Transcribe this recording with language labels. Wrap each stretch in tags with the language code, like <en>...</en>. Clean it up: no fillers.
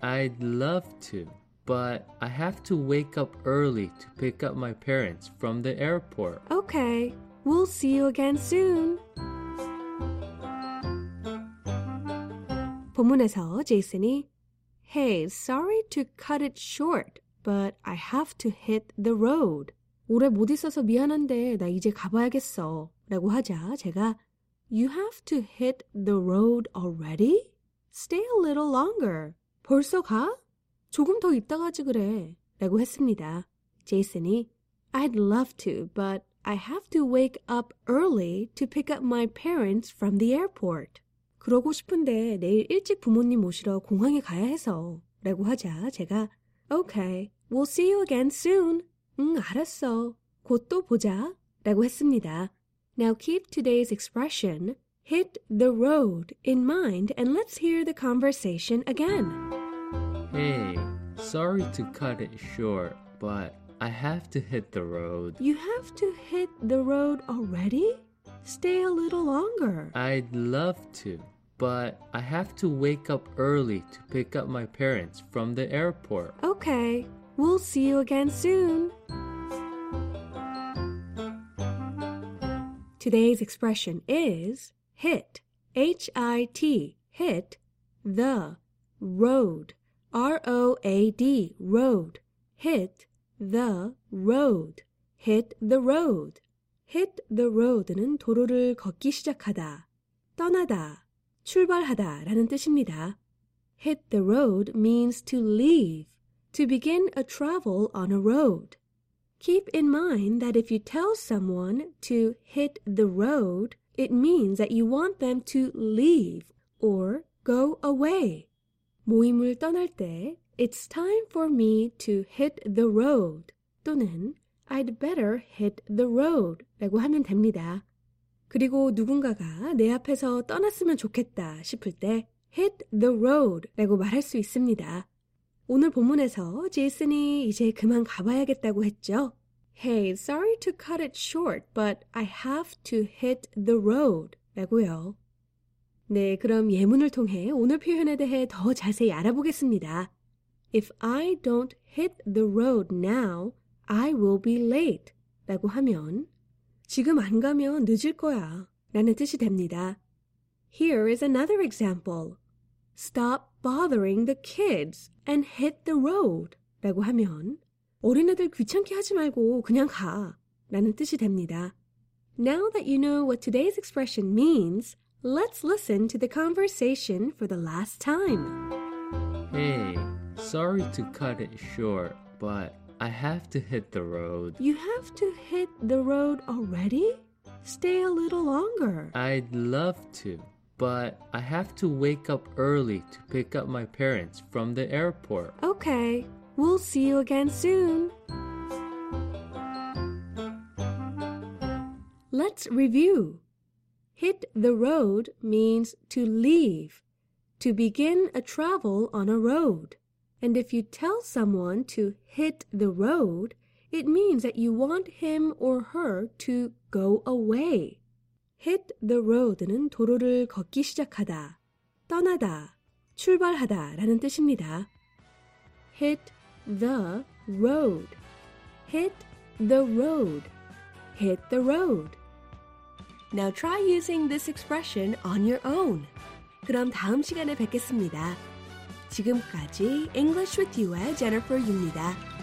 <en>I'd love to, but I have to wake up early to pick up my parents from the airport. Okay, we'll see you again soon.</en> <ko>본문에서 제이슨이</ko> <en>Hey, sorry to cut it short, but I have to hit the road.</en> <ko>오래 못 있어서 미안한데 나 이제 가봐야겠어 라고 하자 제가</ko> <en>You have to hit the road already? Stay a little longer.</en> <ko>벌써 가? 조금 더 있다 가지 그래 라고 했습니다.</ko> <en>제이슨이 I'd love to, but I have to wake up early to pick up my parents from the airport.</en> <ko>그러고 싶은데 내일 일찍 부모님 모시러 공항에 가야 해서 라고 하자 제가</ko> <en>Okay, we'll see you again soon.</en> <ko>응, 알았어. 곧 또 보자 라고 했습니다.</ko> <en>Now keep today's expression, hit the road, in mind, and let's hear the conversation again. Hey, sorry to cut it short, but I have to hit the road. You have to hit the road already? Stay a little longer. I'd love to, but I have to wake up early to pick up my parents from the airport. Okay, we'll see you again soon. Today's expression is hit, H-I-T, hit the road, R-O-A-D, road, hit the road, hit the road.</en> <ko>Hit the road는 도로를 걷기 시작하다, 떠나다, 출발하다 라는 뜻입니다.</ko> <en>Hit the road means to leave, to begin a travel on a road. Keep in mind that if you tell someone to hit the road, it means that you want them to leave or go away.</en> <ko>모임을 떠날 때,</ko> <en>it's time for me to hit the road</en> <ko>또는</ko> <en>I'd better hit the road</en> <ko>라고 하면 됩니다. 그리고 누군가가 내 앞에서 떠났으면 좋겠다 싶을 때 hit the road 라고 말할 수 있습니다. 오늘 본문에서 제이슨이 이제 그만 가봐야겠다고 했죠?</ko> <en>Hey, sorry to cut it short, but I have to hit the road</en> <ko>라고요. 네, 그럼 예문을 통해 오늘 표현에 대해 더 자세히 알아보겠습니다.</ko> <en>If I don't hit the road now, I will be late</en> <ko>라고 하면 지금 안 가면 늦을 거야 라는 뜻이 됩니다.</ko> <en>Here is another example. Stop bothering the kids and hit the road</en> <ko>라고 하면 어린애들 귀찮게 하지 말고 그냥 가 라는 뜻이 됩니다.</ko> <en>Now that you know what today's expression means, let's listen to the conversation for the last time. Hey, sorry to cut it short, but I have to hit the road. You have to hit the road already? Stay a little longer. I'd love to, but I have to wake up early to pick up my parents from the airport. Okay, we'll see you again soon. Let's review. Hit the road means to leave, to begin a travel on a road. And if you tell someone to hit the road, it means that you want him or her to go away.</en> <ko>Hit the road는 도로를 걷기 시작하다, 떠나다, 출발하다 라는 뜻입니다.</ko> <en>Hit the road. Hit the road. Hit the road. Now try using this expression on your own.</en> <ko>그럼 다음 시간에 뵙겠습니다. 지금까지 English with You의 Jennifer입니다.</ko>